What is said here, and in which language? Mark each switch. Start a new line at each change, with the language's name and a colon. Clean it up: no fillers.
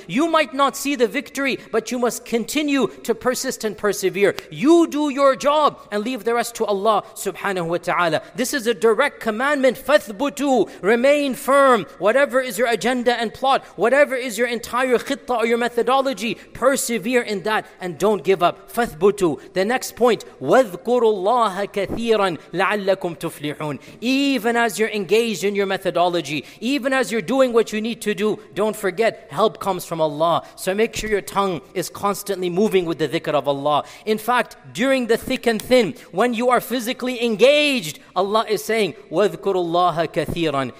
English: You might not see the victory, but you must continue to persist and persevere. You do your job and leave the rest to Allah subhanahu wa ta'ala. This is a direct commandment. Fathbutu, remain firm. Whatever is your agenda and plot, whatever is your entire khitta or your methodology, persevere in that and don't give up.
Arabic: Fathbutu.
English: The next point,
Arabic: وَذْكُرُوا اللَّهَ كَثِيرًا لَعَلَّكُمْ تُفْلِحُونَ.
English: Even as you're engaged in your methodology, even as you're doing what you need to do, don't forget, help comes from Allah. So make sure your tongue is constantly moving with the dhikr of Allah. In fact, during the thick and thin, when you are physically engaged, Allah is saying,
Arabic: وَذْكُرُوا اللَّهَ كَثِيرًا.